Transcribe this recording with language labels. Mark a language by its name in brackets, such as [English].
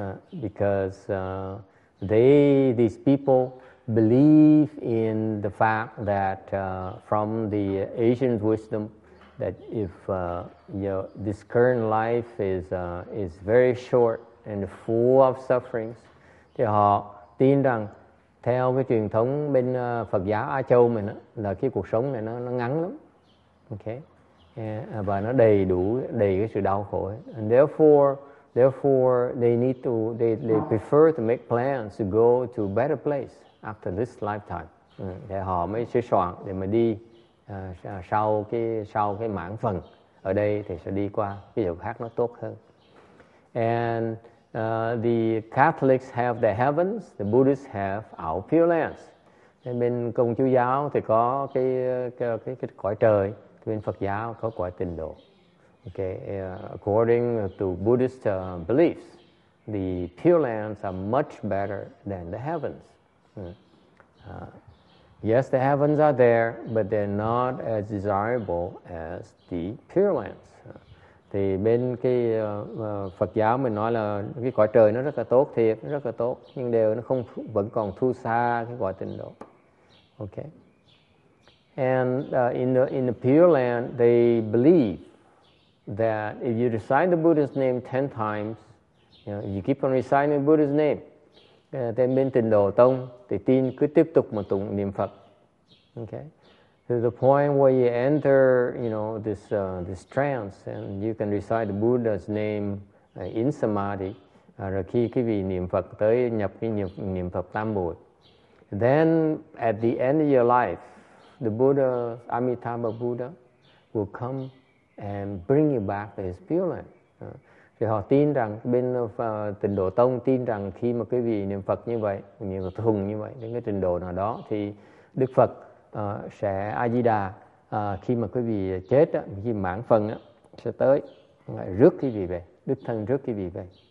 [English] These people believe in the fact that from the Asian wisdom that if this current life is very short and full of sufferings, [Vietnamese] thì họ tin rằng theo cái truyền thống bên Phật giáo Á Châu mình đó, là cái cuộc sống này nó ngắn lắm, okay, yeah, và nó đầy cái sự đau khổ ấy. [English] And therefore they prefer to make plans to go to a better place after this lifetime. [Vietnamese] Để họ mới sửa soạn để mà đi sau cái mãn phần ở đây thì sẽ đi qua cái chỗ khác nó tốt hơn. [English] And the Catholics have the heavens, the Buddhists have our pure lands. [Vietnamese] Thế bên Công Chúa giáo thì có cái cõi trời, bên Phật giáo có cõi tịnh độ. [English] Okay, according to Buddhist beliefs, the pure lands are much better than the heavens. Yes, the heavens are there, but they're not as desirable as the pure lands. [Vietnamese] Thì bên cái Phật giáo mình nói là cái cõi trời nó rất là tốt thiệt, rất là tốt, nhưng đều nó không vẫn còn thu xa cái cõi tịnh độ. [English] Okay. And in the pure land, they believe that if you recite the Buddhist name 10 times, You keep on reciting Buddha's name. [Vietnamese] Then bên tịnh độ tông thì tin cứ tiếp tục mà tụng niệm Phật. [English] Okay. To the point where you enter, you know, this this trance and you can recite Buddha's name in samadhi. [Vietnamese] Rồi khi quý vị niệm Phật tới nhập cái niệm Phật tam bồ. [English] Then at the end of your life, the Buddha, Amitabha Buddha, will come and bring you back to his pure land. [Vietnamese] Thì họ tin rằng bên tịnh độ tông tin rằng khi mà quý vị niệm Phật như vậy, niệm Phật thuần như vậy đến cái trình độ nào đó thì Đức Phật sẽ A Di Đà khi mà quý vị chết á, khi mãn phần á sẽ tới rước quý vị về, Đức Thân rước quý vị về.